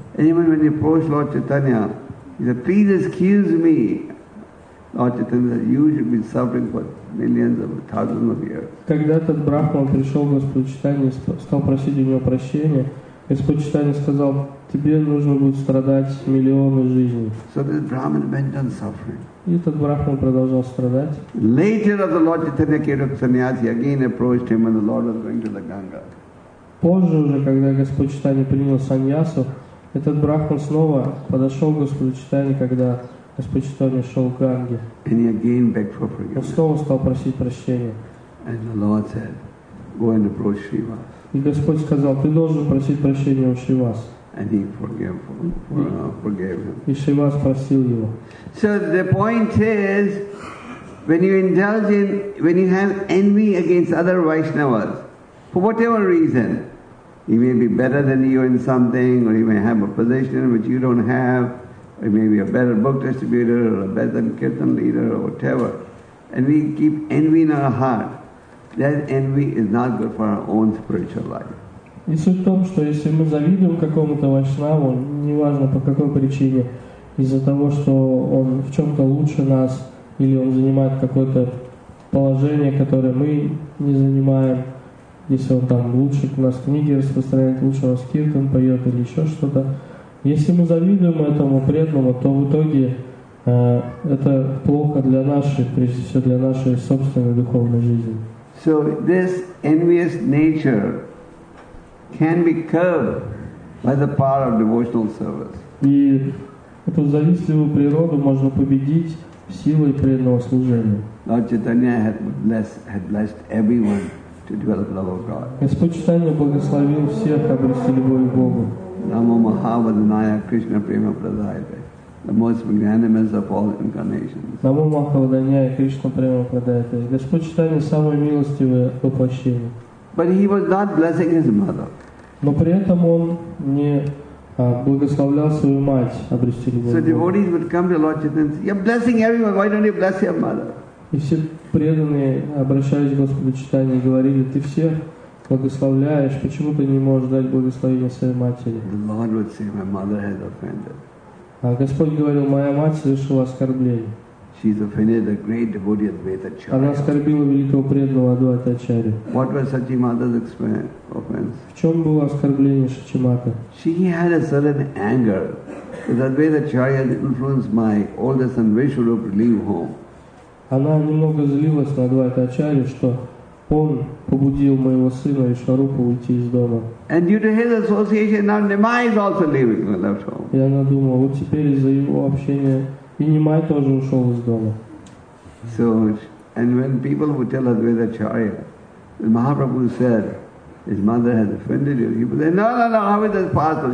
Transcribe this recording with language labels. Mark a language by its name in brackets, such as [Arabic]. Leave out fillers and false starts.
[English] And even when he approached Lord Chaitanya, he said, "Please excuse me, Lord Chaitanya, you should be suffering for millions of thousands of years." [Russian] Когда этот брахман пришел к Господу Чайтанье, стал просить у него прощения, Господь Чайтанье сказал: "Тебе нужно будет страдать миллионы жизней." [English] So this Brahmin went on suffering. [Russian] И этот брахман продолжал страдать. [English] Later, the Lord Chaitanya came to Sannyasi, he again approached him, and the Lord was going to the Ganga. [Russian] Позже уже, когда Господь Чайтанье принял саньясу, этот брахман снова подошел к Господу Чайтанье, когда Господь Чайтанье шел к Ганге. [English] And he again begged for forgiveness. [Russian] Он снова стал просить прощения. [English] And the Lord said, "Go and approach Shiva." [Russian] И Господь сказал: "Ты должен просить прощения у Шивас." [English] And he forgave him. [Russian] И Шивас простил его. [English] So the point is, when you indulge in, when you have envy against other Vaishnavas, for whatever reason, he may be better than you in something, or he may have a position which you don't have, or he may be a better book distributor, or a better kirtan leader, or whatever. And we keep envy in our heart. That envy is not good for our own spiritual life. [Russian] И суть в том, что если мы завидуем какому-то вайшнаву, неважно по какой причине, из-за того, что он в чем-то лучше нас, или он занимает какое-то положение, которое мы не занимаем, если он там лучше нас книги распространяет, лучше нас киртан поет или еще что-то. Если мы завидуем этому преданному, то в итоге это плохо для нашей, прежде всего для нашей собственной духовной жизни. [English] So this envious nature can be curbed by the power of devotional service. [Russian] И эту завистливую природу можно победить силой преданного служения. [English] Lord Chaitanya had blessed everyone to develop love of God. [Russian] Господь Читания благословил всех обрести любовь к Богу. [Sanskrit] Namo Mahavadanaya Krishna Prema Pradayate, [English] the most magnanimous of all incarnations. [Sanskrit] Namo Mahavadanaya Krishna Prema Pradayate, [Russian] Господь Читания самое милостивое воплощение. [English] But he was not blessing his mother. [Russian] Но при этом он не благословлял свою мать обрести любовь. [English] So devotees would come to Lord Chaitanya and say, "You're blessing everyone. Why don't you bless your mother?" [Russian] И все преданные, обращаясь к Господу Читания, говорили: "Ты всех благословляешь, почему ты не можешь дать благословение своей матери?" [English] The Lord would say, "My mother has offended." [Russian] А Господь говорил: "Моя мать совершила оскорбление." [English] She's offended a great devotee Advaita Acharya. [Russian] Она оскорбила великого преданного Адвайта Ачарью. [English] What was Шачи Мата's offense? [Russian] В чем было оскорбление Шачи Мата? [English] She had a sudden anger that Advaita Acharya influenced my older son Vishwarup to leave home. [Russian] Она немного злилась на Адвайта Ачарью, что он побудил моего сына Вишварупу уйти из дома. [English] And due to his association, now Nimai is also leaving and left home. [Russian] И она думала: вот теперь из-за его общения и Нимай тоже ушел из дома. [English] So, and when people would tell Advaita Acharya, Mahaprabhu said, his mother has offended you. He would say, no, how is that possible?